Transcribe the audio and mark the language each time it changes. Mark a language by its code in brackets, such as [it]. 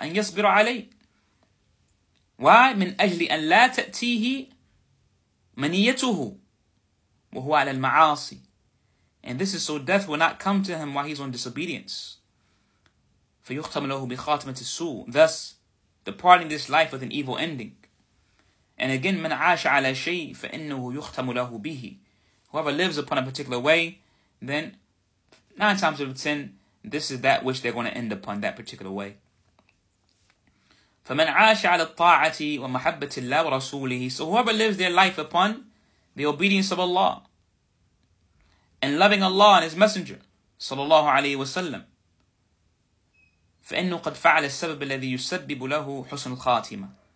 [ar] أَنْ يَصْبِرُ عَلَيْهِ. [en] Why? [ar] مِنْ أَجْلِ أَنْ لَا تَأْتِيهِ مَنِيَّتُهُ وَهُوَ عَلَى الْمَعَاصِ. [en] And this is so death will not come to him while he's on disobedience. [ar] فَيُخْتَمَ لَهُ بِخَاتْمَةِ السُّوءِ. [en] Thus, departing this life with an evil ending. And again, [ar] مَنْ عَاشَ عَلَى شَيْءٍ فَإِنَّهُ يُخْتَمُ لَهُ بِهِ. [en] Whoever lives upon a particular way, then 9 times out of 10, this is that which they're going to end upon, that particular way. [ar] فَمَنْ عَاشَ عَلَى الطَّاعَةِ وَمَحَبَّةِ اللَّهِ وَرَسُولِهِ. [en] So whoever lives their life upon the obedience of Allah and loving Allah and His Messenger, sallallahu alayhi wa sallam, [ar] فَإِنُّ قَدْ فَعَلَ السَّبَبِ الَّذِي يُسَبِّبُ لَهُ حُسْنُ الْخَاتِمَةِ.